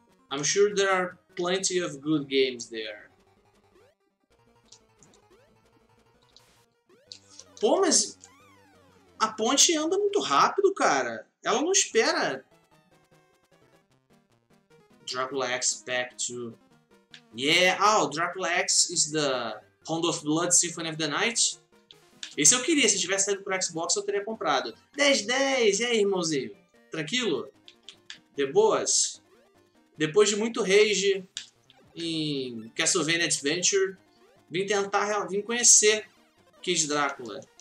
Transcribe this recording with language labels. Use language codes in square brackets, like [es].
[en] I'm sure there are plenty of good games there. [pt] Pô, mas a ponte anda muito rápido, cara. Ela não espera. Dracula X Pack 2. [en] Yeah, oh, Dracula X is the Hound of Blood Symphony of the Night. [pt] Esse eu queria, se tivesse saído pro Xbox eu teria comprado. 10-10, e aí, irmãozinho? Tranquilo? De boas? Depois de muito rage em Castlevania Adventure, vim conhecer Kid Drácula.